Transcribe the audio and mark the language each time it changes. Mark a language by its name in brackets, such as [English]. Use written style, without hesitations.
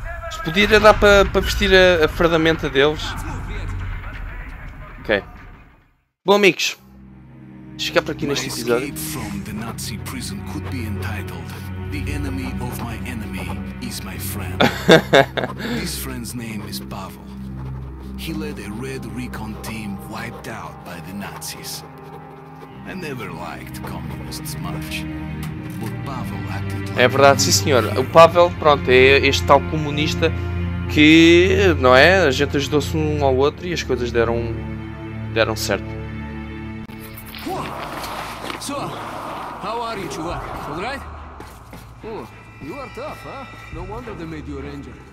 [Portuguese] Se podia dar para vestir a fardamenta deles. Ok. Bom, amigos, fica por aqui neste episódio. [English] My escape from the Nazi prison could be entitled "The enemy of my enemy is my friend." This friend's name is Pavel. He led a Red Recon team wiped out by the Nazis. I never liked communists much, but Pavel acted. [Portuguese] É verdade, sim, senhor. O Pavel, pronto, é este tal comunista que, não é? A gente ajudou-se um ao outro e as coisas deram certo. [English] So, how are you, Chewbacca? All right? Oh, you are tough, huh? No wonder they made you a ranger.